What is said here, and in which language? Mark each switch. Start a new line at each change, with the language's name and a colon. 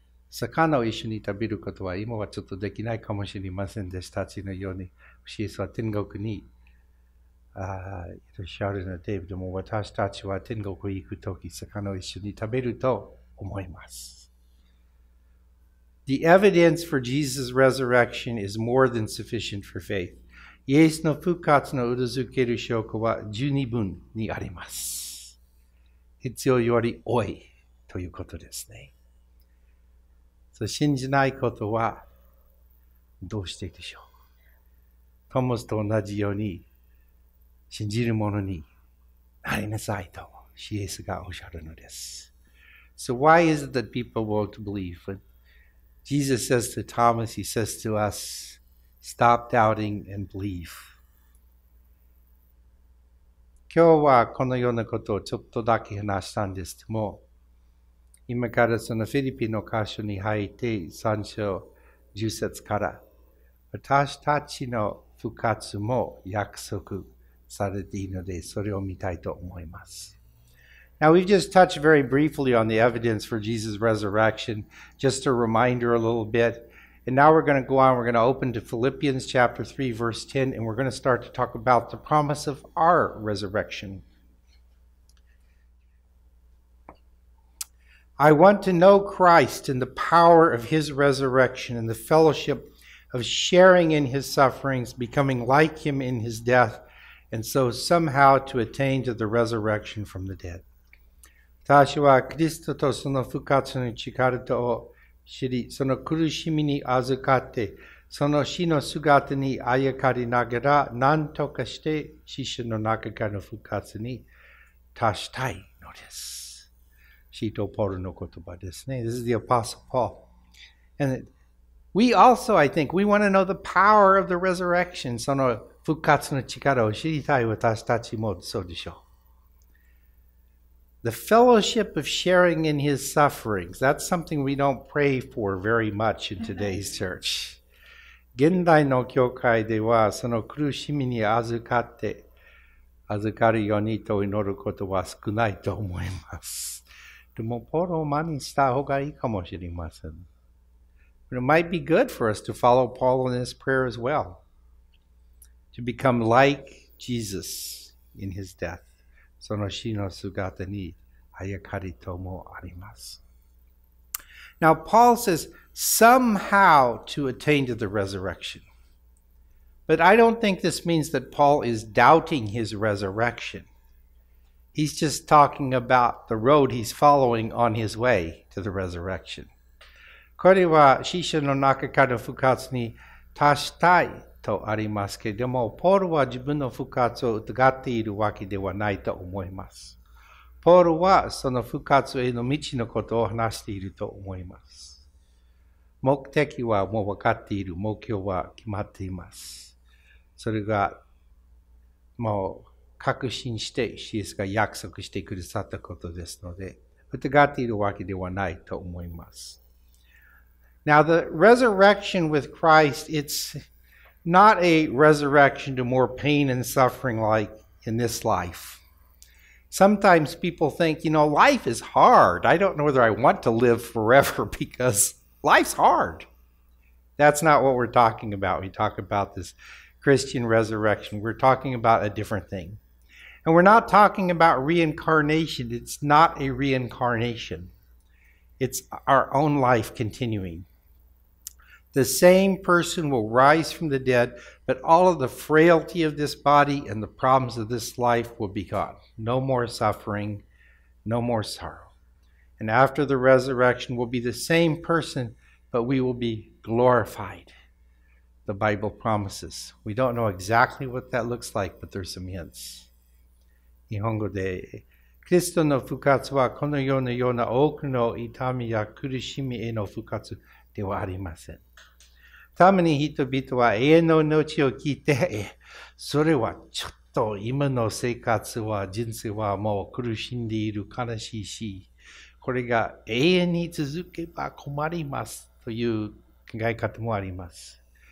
Japanese: 魚を一緒に食べることは今はちょっとできないかもしれません。弟子たちのようにイエスは天国にいらっしゃるので、でも私たちは天国へ行くとき、魚を一緒に食べると思います。
English: The evidence for Jesus' resurrection is more than sufficient for faith.
Japanese: イエスの復活の裏付ける証拠は十二分にあります。必要より多いということですね。そう信じないことはどうしてでしょう。トモスと同じように、信じる者になりなさいとイエスがおっしゃるのです。
English: So why is it that people won't believe? When Jesus says to Thomas, he says to us, stop doubting and believe.
Japanese: 今日はこのようなことをちょっとだけ話したんですけども、今からそのフィリピの箇所に入って3章10節から、私たちの復活も約束、されているのでそれを見たいと思います。
English: Now we've just touched very briefly on the evidence for Jesus' resurrection, just a reminder a little bit. And now we're going to go on, we're going to open to Philippians chapter 3 verse 10 and we're going to start to talk about the promise of our resurrection. I want to know Christ and the power of his resurrection and the fellowship of sharing in his sufferings, becoming like him in his death, and so somehow to attain to the resurrection from the dead.
Japanese: 私はキリストとその復活の力とを知り、その苦しみに預かって、その死の姿にあやかりながら、何とかして死者の中からの復活に達したいのです。シート・ポールの言葉ですね。
English: This is the Apostle Paul. And we also, I think, we want to know the power of the resurrection.
Japanese: その復活の力を知りたい私たちもそうでしょう。
English: The fellowship of sharing in his sufferings, that's something we don't pray for very much in today's church.
Japanese: 現代の教会ではその苦しみに預かるようにと祈ることは少ないと思います。でもポールを真似した方がいいかもしれません。
English: But it might be good for us to follow Paul in his prayer as well. To become like Jesus in his death.
Japanese: その死の姿にあやかりともあります。
English: Now, Paul says, somehow to attain to the resurrection. But I don't think this means that Paul is doubting his resurrection. He's just talking about the road he's following on his way to the resurrection.
Japanese: これは死者の中からの復活に達したいとありますけれども、ポールは自分の復活を疑っているわけではないと思います。ポールはその復活への道のことを話していると思います。目的はもう分かっている、目標は決まっています。それがもう確信して、シエスが約束してくださったことですので、疑っているわけではないと思います。
English: Now, the resurrection with Christ, it'snot a resurrection to more pain and suffering like in this life. Sometimes people think, you know, life is hard. I don't know whether I want to live forever because life's hard. That's not what we're talking about. We talk about this Christian resurrection. We're talking about a different thing. And we're not talking about reincarnation. It's not a reincarnation. It's our own life continuing. The same person will rise from the dead, but all of the frailty of this body and the problems of this life will be gone. No more suffering, no more sorrow. And after the resurrection, we'll be the same person, but we will be glorified. The Bible promises. We don't know exactly what that looks like, but there's some hints.
Japanese: 日本語で、キリストの復活はこの世のような多くの痛みや苦しみへの復活ではありません。ために人々は永遠の命を聞いて、それはちょっと今の生活は人生はもう苦しんでいる悲しいし、これが永遠に続けば困りますという考え方もあります。